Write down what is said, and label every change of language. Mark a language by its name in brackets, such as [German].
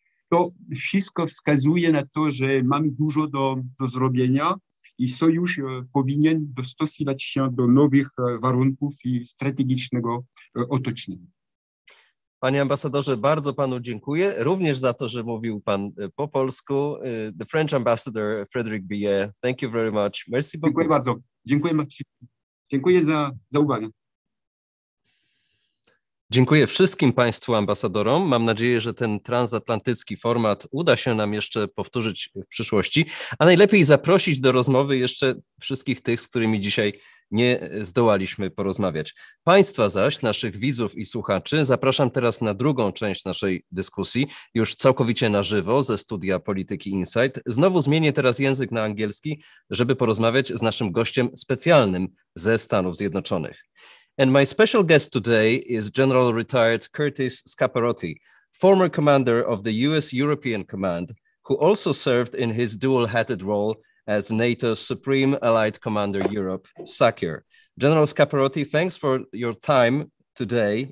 [Polish] To wszystko wskazuje na to, że mamy dużo do zrobienia i sojusz powinien dostosować się do nowych warunków i strategicznego otoczenia. Panie ambasadorze, bardzo panu dziękuję, również za to, że mówił pan po polsku. [English] The French ambassador, Frédéric Billet, thank you very much. [French] Merci beaucoup. [Polish] Dziękuję bardzo. Dziękuję, Marcin. Dziękuję za uwagę. Dziękuję wszystkim Państwu ambasadorom. Mam nadzieję, że ten transatlantycki format uda się nam jeszcze powtórzyć w przyszłości, a najlepiej zaprosić do rozmowy jeszcze wszystkich tych, z którymi dzisiaj nie zdołaliśmy porozmawiać. Państwa zaś, naszych widzów i słuchaczy, zapraszam teraz na drugą część naszej dyskusji, już całkowicie na żywo ze studia Polityki Insight. Znowu zmienię teraz język na angielski, żeby porozmawiać z naszym gościem specjalnym ze Stanów Zjednoczonych. [English] And my special guest today is General Retired Curtis Scaparotti, former commander of the U.S. European Command, who also served in his dual-hatted role as NATO's Supreme Allied Commander Europe, SACEUR. General Scaparotti, thanks for your time today.